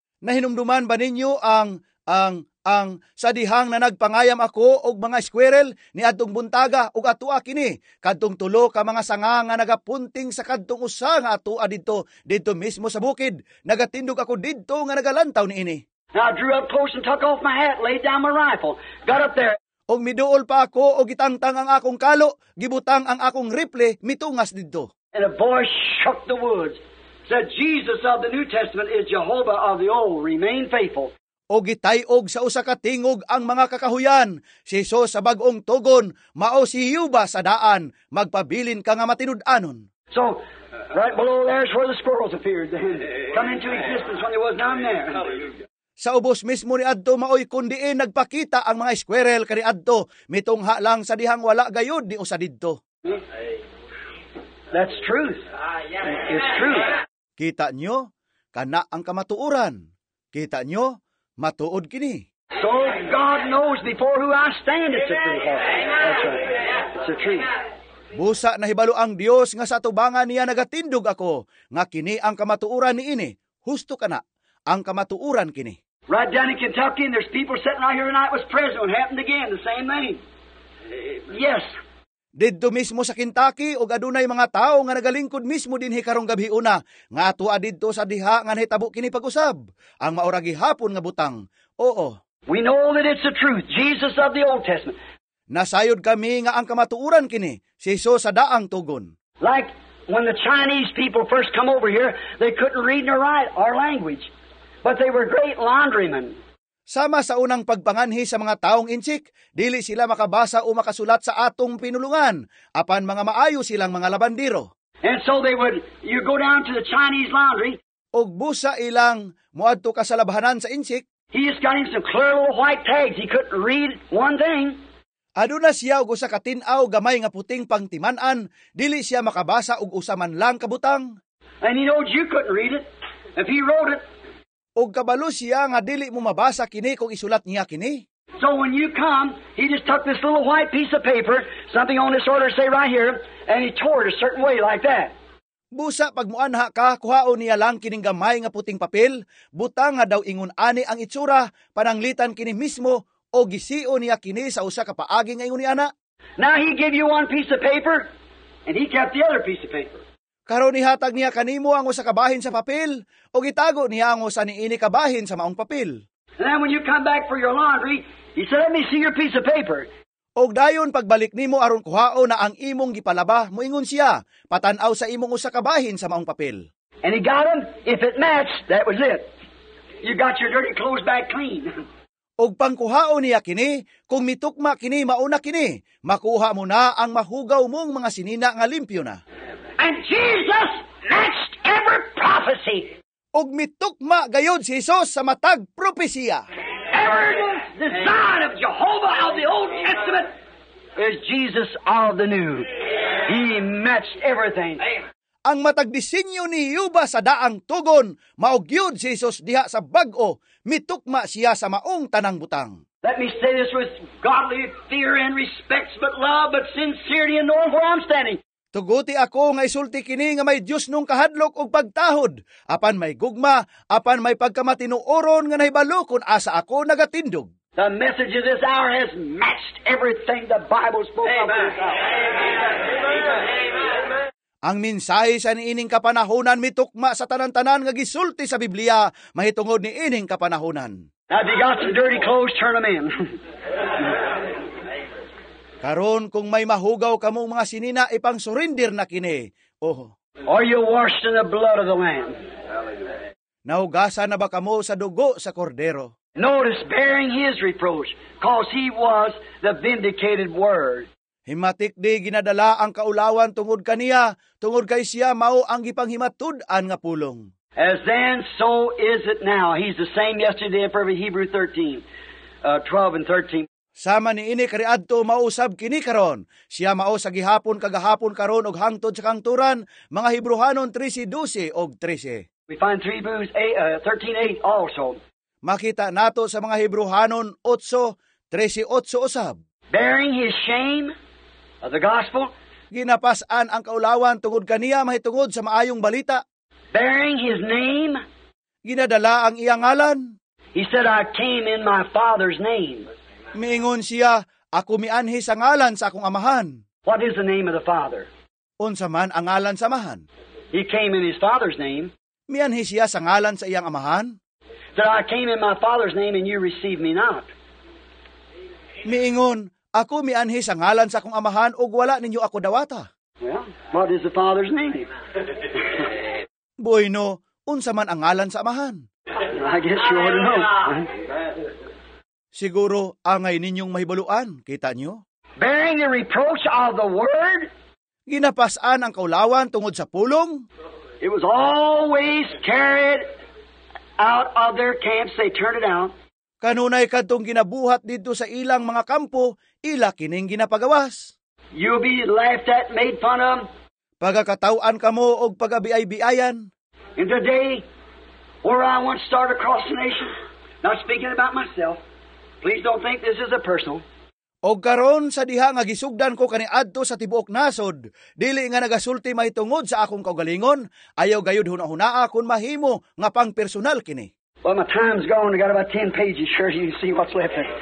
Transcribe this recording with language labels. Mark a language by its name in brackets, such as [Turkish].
[Cebuano] Nahinumduman ba ninyo ang sa dihang na nagpangayam ako og mga squirrel ni adtong buntaga og atua kini kadtong tulo ka mga sanga nga nagapunting sa kadtong usa nga atua dito mismo sa bukid, nagatindog ako dito nga nagalantaw niini. [English] Now I drew up close and took off my hat, laid down my rifle, got up there. [Cebuano] Og miduol pa ako, og itangtang ang akong kalo, gibutang ang akong rifle, mitungas didto. [English] And a voice shook the woods, said, Jesus of the New Testament is Jehovah of the Old, remain faithful. [Cebuano] Og itayog sa usa ka tingog ang mga kakahuyan, si Jesus sa bagong tugon, mao si Yuba sa daan, magpabilin ka nga matinud-anon. [English] So, right below there is where the squirrels appeared, come into existence when there was none there. [Cebuano] Sa ubos mismo ni adto maoy kundiin nagpakita ang mga squirrel kani adto mitungha lang sa dihang wala gayod ni usa didto. [English] That's truth. It's truth. [Cebuano] Kita nyo kana ang kamatuoran. Kita nyo matuod kini. [English] So God knows before who I stand, it's a truth. That's right. It's a truth. [Cebuano] Busa nahibalo ang Dios nga sa atubangan niya nagatindog ako nga kini ang kamatuoran niini. Husto kana ang kamatuoran kini. [English] Right down in Kentucky, and there's people sitting right here tonight was present. It happened again, the same name. Amen. Yes. [Cebuano] Didto mismo sa Kentucky, o gadunay mga tao nga nagalingkod mismo din hikarong gabi una, nga atua didto sa diha nga nahitabo kini pag-usab, ang mauragi hapon nga butang. Oo. [English] We know that it's the truth, Jesus of the Old Testament. [Cebuano] Nasayod kami nga ang kamatuoran kini, si Jesus sa daang tugon. [English] Like when the Chinese people first come over here, they couldn't read nor write our language. But they were great laundrymen. [Cebuano] Sama sa unang pagpanganhi sa mga taong insik, dili sila makabasa o makasulat sa atong pinulungan, apan mga maayo silang mga labandero. [English] And so they would, you go down to the Chinese laundry. [Cebuano] Og busa ilang muadto ka sa labahanan sa insik. [English] He just got him some clear little white tags. He couldn't read one thing. [Cebuano] Aduna siya og usa ka tin-aw gamay nga puting pangtiman-an, dili siya makabasa og usa man lang kabutang. [English] And he knows you couldn't read it if he wrote it. [Cebuano] Og kabalo siya nga dili mo mabasa kini kung isulat niya kini. [English] So when you come, he just took this little white piece of paper, something on this order say right here, and he tore it a certain way like that. [Cebuano] Busa pag muanha ka, kuhaon niya lang kining gamay nga puting papel, butang nga daw ingon ani ang itsura, pananglitan kini mismo, o gisio niya kini sa usa ka paagi nga ingon ni ana. [English] Now he gave you one piece of paper, and he kept the other piece of paper. [Cebuano] Karon ihatag niya kanimo ang usa ka bahin sa papel, o gitago niya ang usa niini ka bahin sa maong papel. [English] And then when you come back for your laundry, he said, let me see your piece of paper. [Cebuano] Og dayon pagbalik nimo aron kuhao na ang imong gipalaba, moingon siya, patanaw sa imong usa ka bahin sa maong papel. [English] And he got him, if it matched, that was it. You got your dirty clothes back clean. [Cebuano] Og pangkuhao niya kini, kung mitukma kini mauna kini, makuha mo na ang mahugaw mong mga sinina nga limpyo na. [English] And Jesus matched every prophecy. [Cebuano] Og mitukma gayod si Jesus sa matag propesiya. [English] Every design of Jehovah of the Old Testament is Jesus of the New. He matched everything. [Cebuano] Ang matagdisinyo ni Yuba sa daang tugon, maugyod si Jesus diha sa bag-o, mitukma siya sa maong tanang butang. [English] Let me say this with godly fear and respect, but love, but sincerity and knowing where I'm standing. [Cebuano] Tuguti ako nga isulti kini nga may Diyos nung kahadlok o pagtahod, apan may gugma, apan may pagkamatinuoron nga nahibalo kung asa ako nagatindog. [English] The message of this hour has matched everything the Bible spoke of this hour. [Cebuano] Ang mensahe sa niining kapanahonan mitukma sa tanan-tanan nga gisulti sa Biblia, mahitungod ni ining kapanahonan. [English] Now, if you got some dirty clothes, turn them in. [Cebuano] Karon kung may mahugaw kamong mga sinina ipang surrender na kini. Oh. [English] Are you washed in the blood of the Lamb? [Cebuano] Naugasa na ba kamo sa dugo sa kordero? [English] Notice bearing his reproach, cause he was the vindicated word. [Cebuano] Himatik di ginadala ang kaulawan tungod kaniya, tungod kay siya mao ang gipanghimatud-an nga pulong. [English] As then, so is it now. He's the same yesterday in Hebrews 13, 12 and 13. [Cebuano] Sama ni ini kariadto mausab kini karon. Siya mao sa gihapon kagahapon karon og hangtod sa kangturan, mga Hebrewanon 13:12 og 13. [English] We find Hebrews 13:8 also. [Cebuano] Makita nato sa mga Hebrewanon 8:13 usab. [English] Bearing his shame of the gospel. [Cebuano] Ginapasan ang kaulawan tungod kaniya mahitungod sa maayong balita. [English] Bearing his name. [Cebuano] Ginadala ang iyang ngalan. [English] He said, I came in my Father's name. [Cebuano] Miingon siya, ako mianhi sa ngalan sa akong amahan. [English] What is the name of the Father? [Cebuano] Unsa man ang ngalan sa amahan. [English] He came in his Father's name. [Cebuano] Mianhi siya sa ngalan sa iyang amahan. [English] That I came in my Father's name and you received me not. [Cebuano] Miingon, ako mianhi sa ngalan sa akong amahan ug wala ninyo ako dawata. [English] Well, what is the Father's name? [Cebuano] Bueno, unsa man ang ngalan sa amahan. [English] I guess you ought to know. [Cebuano] Siguro angay ninyong mahibaluan, kita nyo? [English] Bearing the reproach of the word? [Cebuano] Ginapasan ang kaulawan tungod sa pulong? [English] It was always carried out of their camps, they turned it out. [Cebuano] Kanunay kadtong ginabuhat dito sa ilang mga kampo, ila kining ginapagawas. [English] You'll be laughed at, made fun of. [Cebuano] Pagakatauan kamo og pagabiay-biayan. [English] In the day where I once started across the nation, not speaking about myself, please don't think this is a personal. [Cebuano] Og karon sa diha nga gisugdan ko kani adto sa tibuok nasod, dili nga nagasulti mahitungod sa akong kaugalingon, ayaw gayud huna-hunaa kun mahimo nga pang personal kini. [English] Well, my time's gone. I got about 10 pages. Sure, you can see what's left.